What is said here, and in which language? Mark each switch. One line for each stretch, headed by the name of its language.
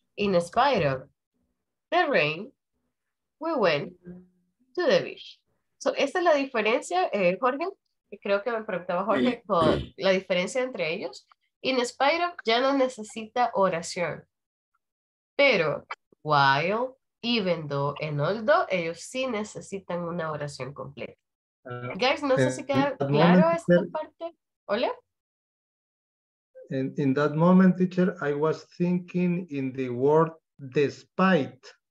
English: In spite of the rain, we went to the beach.
Spanish: So, esta es la diferencia, Jorge. Creo que me preguntaba Jorge por la diferencia entre ellos. In spite of ya no necesita oración. Pero while, even though, and although, ellos sí necesitan una oración completa. Guys, no sé si queda claro esta parte. ¿Hola?
English: In that moment, teacher, I was thinking in the word despite.